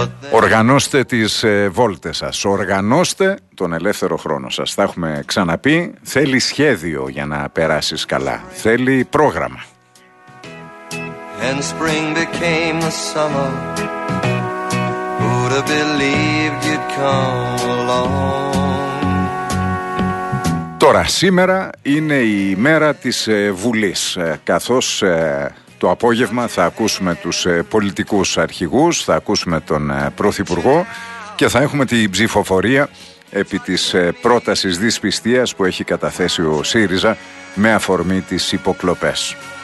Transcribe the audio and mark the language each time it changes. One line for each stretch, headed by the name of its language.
Greek: Οργανώστε τις βόλτες σας, οργανώστε τον ελεύθερο χρόνο σας. Θα έχουμε ξαναπεί, θέλει σχέδιο για να περάσεις καλά, θέλει πρόγραμμα.
English: And spring became the summer. Who'd have believed you'd come along?
Greek: Τώρα σήμερα είναι η μέρα της Βουλής, καθώς το απόγευμα θα ακούσουμε τους πολιτικούς αρχηγούς, θα ακούσουμε τον Πρωθυπουργό και θα έχουμε την ψηφοφορία επί της πρότασης δυσπιστίας που έχει καταθέσει ο ΣΥΡΙΖΑ με αφορμή τις υποκλοπές.